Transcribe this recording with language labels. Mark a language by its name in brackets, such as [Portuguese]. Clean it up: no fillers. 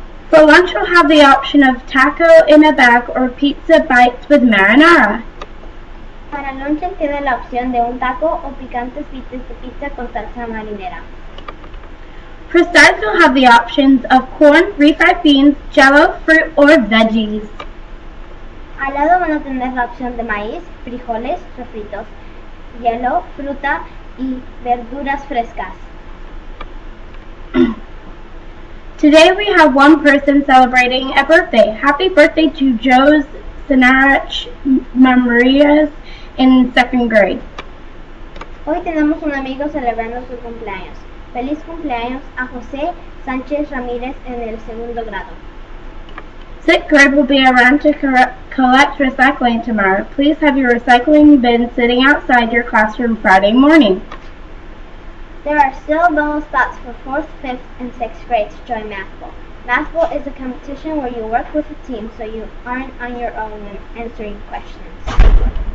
[English] For lunch, we'll have the option of taco in a bag or pizza bites with marinara. [Spanish] Para el lunch, tiene la opción de un taco o picantes bites de pizza con salsa marinera. [English] For sides, we'll have the options of corn, refried beans, jello, fruit, or veggies. [Spanish] Al lado van a tener la opción de maíz, frijoles, sofritos, hielo, fruta y verduras frescas. [English] Today we have one person celebrating a birthday. Happy birthday to Joe Sinarach Marias in second grade. [Spanish] Hoy tenemos un amigo celebrando su cumpleaños. Feliz cumpleaños a José Sánchez Ramírez en el segundo grado. [English] Sixth grade will be around to collect recycling tomorrow. Please have your recycling bin sitting outside your classroom Friday morning. There are still available spots for 4th, 5th, and 6th grades to join Math Bowl. Math Bowl is a competition where you work with a team so you aren't on your own answering questions.